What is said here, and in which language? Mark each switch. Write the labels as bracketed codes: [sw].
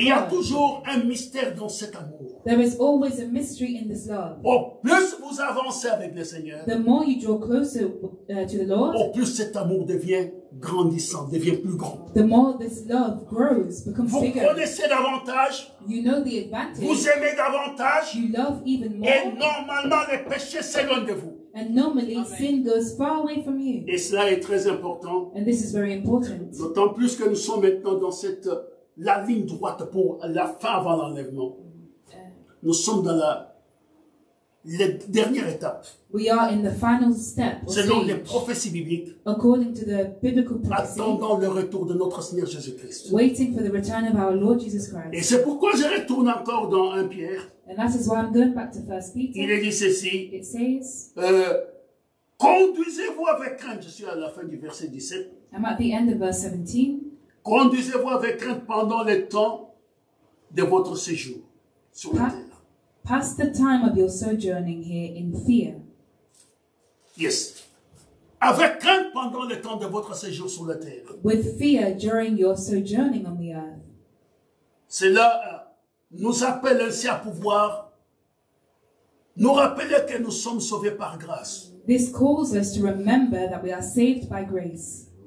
[fr] Il y a toujours un mystère dans cet amour. [en] There is always a mystery in this love. [fr] Au plus vous avancez avec le Seigneur. [en] The more you draw closer to the Lord. [fr] Au plus cet amour devient grandissant, devient plus grand. [en] The more this love grows, becomes [fr] vous [en] bigger. [fr] Vous connaissez davantage. [en] You know the advantage. [fr] Vous aimez davantage. [en] You love even more. [fr] Et normalement le péché s'éloigne de vous. [en] And normally, Amen. Sin goes far away from you. [fr] Et cela est très important. [en] And this is very important. [fr] D'autant plus que nous sommes maintenant dans cette la ligne droite pour la fin avant l'enlèvement. Nous sommes dans la dernière étape. [en] We are in the final step. [fr] Selon les prophéties bibliques. [en] According to the biblical prophecy. [fr] Attendant le retour de notre Seigneur Jésus-Christ. [en] Waiting for the return of our Lord Jesus Christ. [fr] Et c'est pourquoi je retourne encore dans 1 Pierre. [en] And that is why I'm going back to 1 Peter. [fr] Il est dit ceci. [en] It says. [fr] Conduisez-vous avec crainte. Je suis à la fin du verset 17. [en] I'm at the end of verse 17. [fr] Conduisez-vous avec crainte pendant le temps de votre séjour sur la terre. [en] Pass the time of your sojourning here in fear. Yes. [fr] Avec crainte pendant le temps de votre séjour sur la terre. [en] With fear during your sojourning on the earth. [fr] Cela nous appelle ainsi à pouvoir nous rappeler que nous sommes sauvés par grâce. [en] This calls us to remember that we are saved by grace.